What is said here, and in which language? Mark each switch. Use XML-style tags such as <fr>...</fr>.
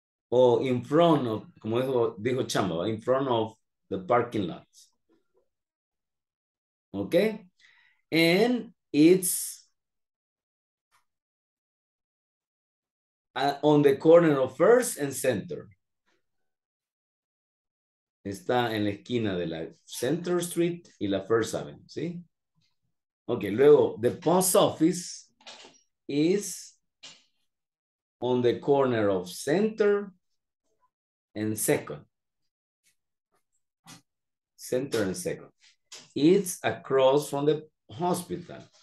<en>O in front of,</en> <es>como dijo Chamba,</es> <en>in front of the parking lot. Okay? And it's on the corner of First and Center.</en> <es>Está en la esquina de la Center Street y la First Avenue, ¿sí?</es> <en>Okay, luego, the post office is on the corner of Center and Second. Center and Second. It's across from the hospital.</en>